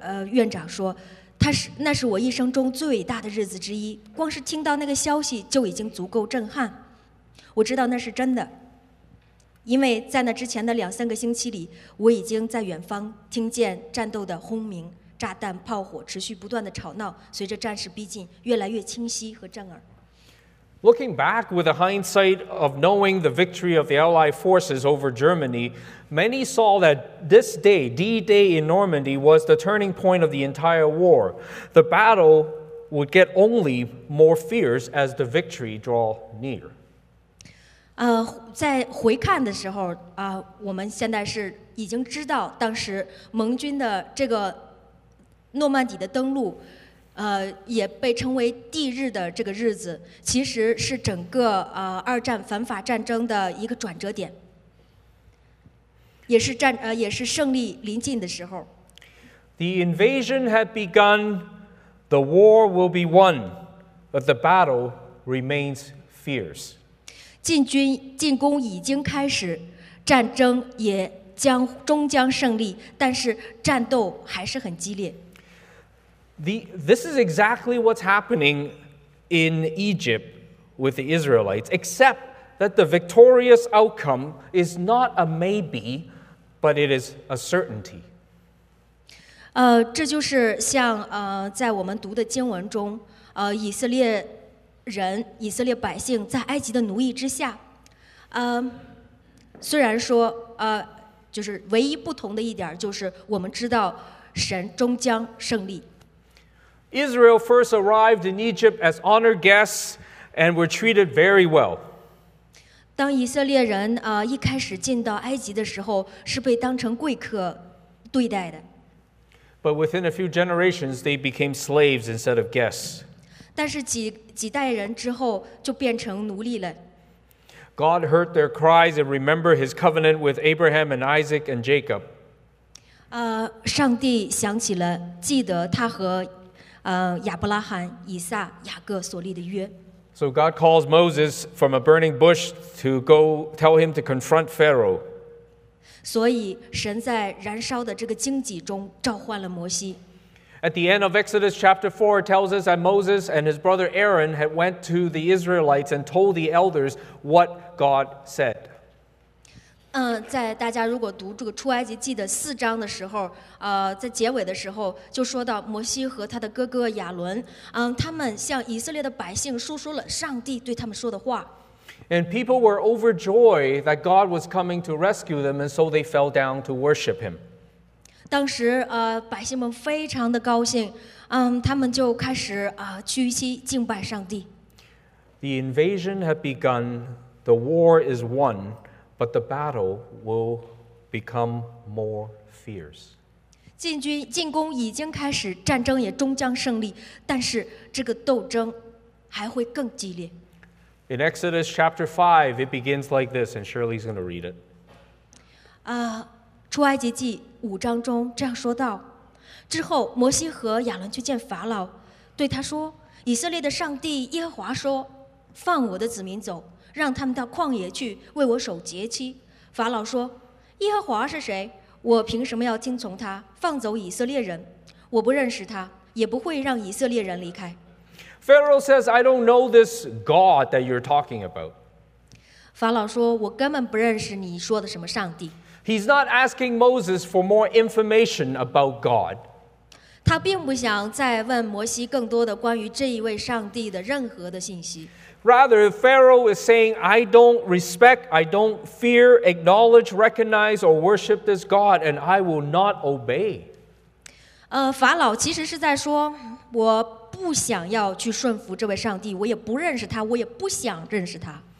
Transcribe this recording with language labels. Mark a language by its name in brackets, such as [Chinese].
[Chinese] 院长说，那是我一生中最大的日子之一，光是听到那个消息就已经足够震撼，我知道那是真的。因为在那之前的两三个星期里，我已经在远方听见战斗的轰鸣、炸弹、炮火持续不断的吵闹，随着战事逼近，越来越清晰和震耳。 [English] Looking back with the hindsight of knowing the victory of the Allied forces over Germany, many saw that this day, D-Day in Normandy, was the turning point of the entire war. The battle would get only more fierce as the victory draw near. [Chinese] 在回看的时候，我们现在是已经知道当时盟军的这个诺曼底的登陆，也被称为D日的这个日子，其实是整个二战反法战争的一个转折点，也是胜利临近的时候。 [English] The invasion had begun, the war will be won, but the battle remains fierce. [Chinese] 进攻已经开始，战争也终将胜利，但是战斗还是很激烈。 [English] This is exactly what's happening in Egypt with the Israelites, except that the victorious outcome is not a maybe, but it is a certainty. [Chinese] 这就是像在我们读的经文中，以色列人以色列百姓在埃及的奴役之下，虽然说就是唯一不同的一点就是我们知道神终将胜利。 [English] Israel first arrived in Egypt as honored guests and were treated very well. [Chinese] 当以色列人一开始进到埃及的时候，是被当成贵客对待的。 [English] But within a few generations, they became slaves instead of guests. [Chinese] 但是几代人之后就变成奴隶了。 [English] God heard their cries and remembered his covenant with Abraham and Isaac and Jacob. [Chinese] 上帝想起了记得他和亚伯拉罕、以撒、雅各所立的约。 [English] So God calls Moses from a burning bush to go tell him to confront Pharaoh. [Chinese] 所以神在燃烧的这个荆棘中召唤了摩西。 [English] At the end of Exodus chapter 4, it tells us that Moses and his brother Aaron had went to the Israelites and told the elders what God said. [Chinese] 在大家如果读这个出埃及记的四章的时候，在结尾的时候就说到摩西和他的哥哥亚伦，他们向以色列的百姓述说了上帝对他们说的话。 [English] And people were overjoyed that God was coming to rescue them, and so they fell down to worship him. [Chinese] 当时百姓们非常的高兴，他们就开始屈膝敬拜上帝。 [English] The invasion had begun, the war is won, but the battle will become more fierce. [Chinese] 进攻已经开始，战争也终将胜利，但是这个斗争还会更激烈。 [English] In Exodus chapter 5, it begins like this, and Shirley's going to read it. [Chinese] 出埃及记五章中这样说道，之后摩西和亚伦去见法老，对他说，以色列的上帝耶和华说，放我的子民走，让他们到旷野去为我守节期。法老说，耶和华是谁？我凭什么要听从他放走以色列人？我不认识他，也不会让以色列人离开。 [English] Pharaoh says, I don't know this God that you're talking about. [Chinese] 法老说，我根本不认识你说的什么上帝。 [English] He's not asking Moses for more information about God. [Chinese] 他并不想再问摩西更多的关于这一位上帝的任何的信息。 [English] Rather, Pharaoh is saying, I don't respect, I don't fear, acknowledge, recognize, or worship this God, and I will not obey. [Chinese] 法老其实是在说，我不想要去顺服这位上帝，我也不认识他，我也不想认识他。